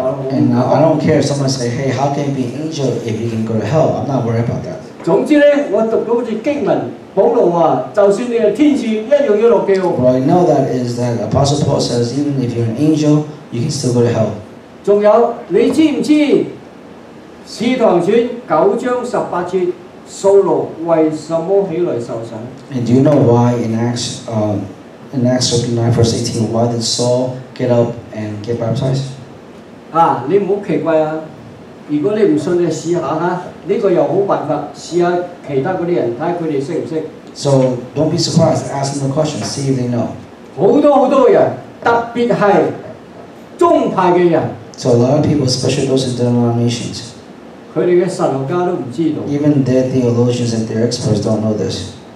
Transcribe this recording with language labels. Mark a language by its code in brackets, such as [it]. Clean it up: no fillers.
[en] and I don't care if someone say, hey, how can you be an angel if you can go to hell? I'm not worried about that. [zh] 总之呢, 我读到一句经文, 保罗说, 就算你是天使一样要落地狱。 [en] What I know that is that Apostle Paul says, even if you're an angel, you can still go to hell. [zh] 还有, 你知不知, 使徒行传9章18节, 扫罗为什么起来受审? [en] And do you know why in Acts 9:18, why did Saul get up and get baptized? [zh] 啊, 你不要奇怪啊, 如果你不信你试一下, 这个有好办法, 试一下其他那些人, 看他们懂不懂。 [en] So don't be surprised, ask them a question, see if they know. [zh] 很多很多人, 特别是宗派的人, [en] so a lot of people, especially those in denominations, even their theologians and their experts don't know this.